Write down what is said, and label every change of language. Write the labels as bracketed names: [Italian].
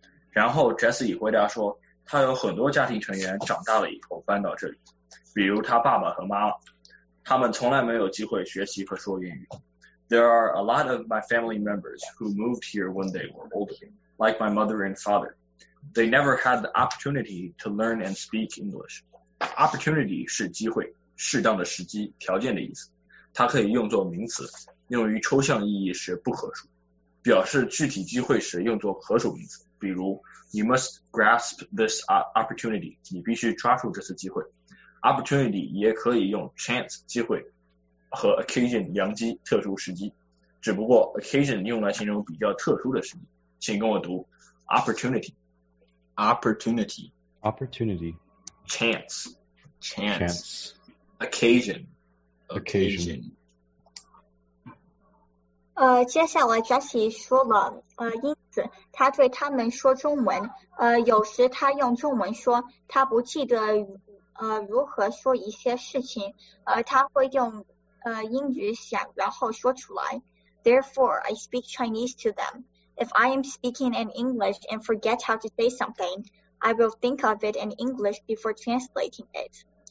[Chinese] 然后 Jesse 回答说，他有很多家庭成员长大了以后搬到这里，比如他爸爸和妈妈，他们从来没有机会学习和说英语。 [English] There are a lot of my family members who moved here when they were older, like my mother and father. They never had the opportunity to learn and speak English. [Chinese] Opportunity 是机会，适当的时机，条件的意思。它可以用作名词，用于抽象意义时不可数，表示具体机会时用作可数名词。比如 ， [English] You must grasp this opportunity. [Chinese] 你必须抓住这次机会。Opportunity 也可以用 chance 机会和 occasion 阳机特殊时机，只不过 occasion 用来形容比较特殊的时机。请跟我读 [English] opportunity, opportunity, opportunity, chance, chance, chance, occasion, occasion, occasion. [Chinese] 接下来 Jesse 说了，因此他对他们说中文，有时他用中文说，他不记得如何说一些事情，他会用英语想然后说出来。 [English] Therefore, I speak Chinese to them. If I am speaking in English and forget how to say something, I will think of it in English before translating it.